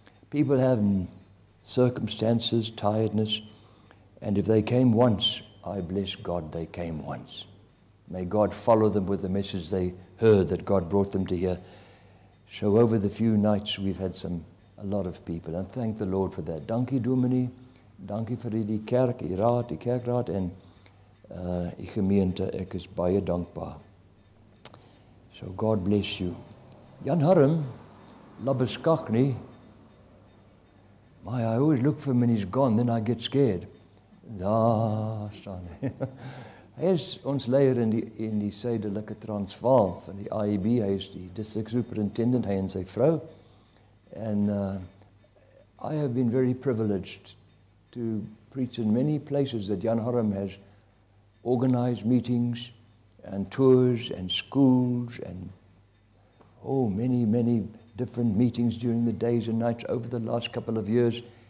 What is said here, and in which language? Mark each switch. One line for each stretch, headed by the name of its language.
English: People have circumstances, tiredness, and if they came once, I bless God they came once. May God follow them with the message they heard that God brought them to hear. So over the few nights, we've had a lot of people, and thank the Lord for that.
Afrikaans: Dankie, Dominee. Dankie vir die kerk, die kerkraad en die gemeente. Ek is baie dankbaar.
English: So God bless you.
Afrikaans: Jan Harm, Labeskagni.
English: My, I always look for him and he's gone, then I get scared.
Afrikaans: Daar staan hy. Hy is ons leier in die suidelike Transvaal van die AIB. Hy is die district superintendent, hy en sy vrou.
English: And I have been very privileged to preach in many places that Jan Harm has organized meetings and tours and schools and many, many different meetings during the days and nights over the last couple of years.